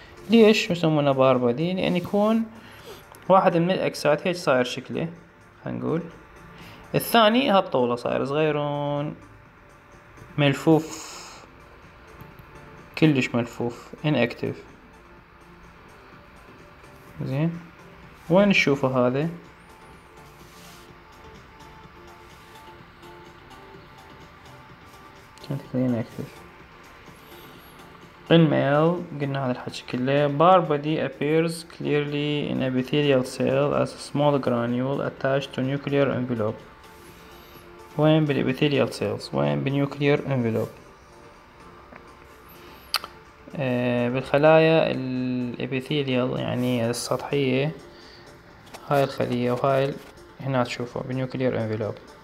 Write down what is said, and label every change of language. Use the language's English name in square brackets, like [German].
[Arabic] ليش يسمونه باربادي؟ لأن يكون واحد من الإكسات هيك صاير شكله، هنقول الثاني هالطولة صاير صغيرون ملفوف، كلش ملفوف inactive. زين، وين نشوفه هذا؟ [English] inactive in male. [Arabic] قلنا هذا الحكي كله. [English] barbody appears clearly in epithelial cell as a small granule attached to nuclear envelope. [Arabic] وين بالepithelial cells؟ وين بالnuclear envelope؟ بالخلايا الابيثيليال يعني السطحية، هاي الخلية وهاي هنا تشوفه بنيوكليير انفلوب.